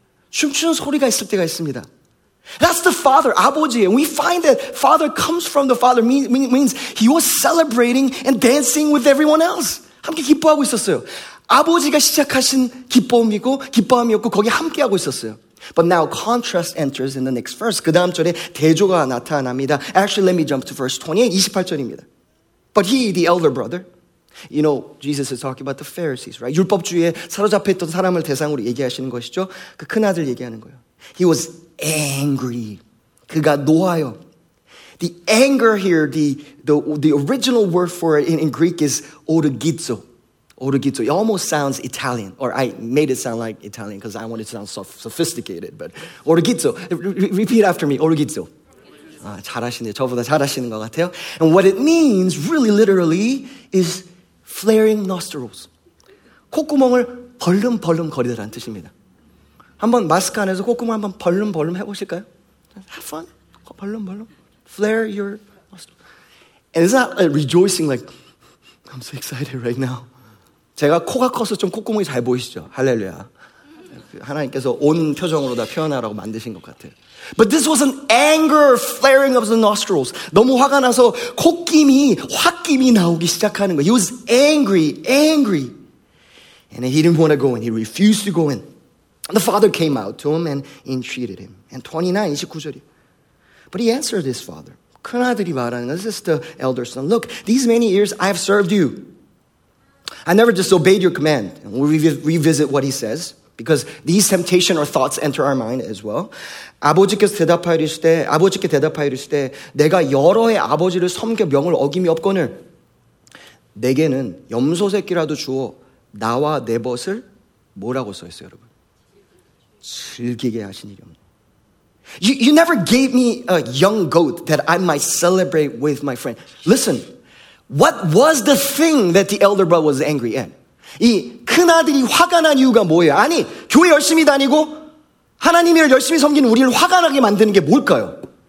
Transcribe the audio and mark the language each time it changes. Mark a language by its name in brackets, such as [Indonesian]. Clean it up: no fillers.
[Korean] 춤추는 소리가 있을 때가 있습니다. [English] That's the father, 아버지. And we find that father comes from the father. Means he was celebrating and dancing with everyone else. [Korean] 함께 기뻐하고 있었어요. 아버지가 시작하신 기쁨이고 기뻐함이었고 거기 함께하고 있었어요. [English] But now contrast enters in the next verse. [Korean] 그 다음 절에 대조가 나타납니다. [English] Actually, let me jump to verse 28, [Korean] 28절입니다. [English] But he, the elder brother, you know, Jesus is talking about the Pharisees, right? [Korean] 율법주의에 사로잡혀 있던 사람을 대상으로 얘기하시는 것이죠. 그 큰아들 얘기하는 거예요. [English] He was angry. [Korean] 그가 노하여. [English] The anger here, the original word for it in Greek is orgizo. Orgizo. It almost sounds Italian. Or I made it sound like Italian because I wanted it to sound sophisticated. But orgizo. Repeat after me. Orgizo. [Korean] 아, 잘하시네. 저보다 잘하시는 것 같아요. [English] And what it means, really literally, is flaring nostrils. [Korean] 콧구멍을 벌름벌름 거리더라는 뜻입니다. 한번 마스크 안에서 콧구멍 한번 벌름벌름 해보실까요? [English] Have fun. 벌름벌름. Flare your nostrils. And it's not like rejoicing like, I'm so excited right now. [Korean] 제가 코가 커서 좀 콧구멍이 잘 보이시죠? 할렐루야. 하나님께서 온 표정으로 다 표현하라고 만드신 것 같아요. [English] But this was an anger flaring of the nostrils. [Korean] 너무 화가 나서 콧김이, 홧김이 나오기 시작하는 거예요. [English] He was angry, angry. And he didn't want to go in. He refused to go in. The father came out to him and entreated him. And 29, [Korean] 29절이요. [English] But he answered his father. [Korean] 큰아들이 말하는 거예요. [English] This is the elder son. Look, these many years I have served you. I never disobeyed your command. And we revisit what he says. Because these temptation or thoughts enter our mind as well. [Korean] 아버지께서 대답하이르시되, 아버지께 대답하이르시되, 내가 여러 해 아버지를 섬겨 명을 어김이 없거늘. 내게는 염소 새끼라도 주어 나와 내 벗을 뭐라고 써 있어요, 여러분? 즐기게 하신 일이 없네. [English] You never gave me a young goat that I might celebrate with my friend. Listen, what was the thing that the elder brother was angry at? [Korean] 이 큰아들이 화가 난 이유가 뭐예요? 아니, 교회 열심히 다니고 하나님을 열심히 섬기는 우리를 화가 나게 만드는 게 뭘까요?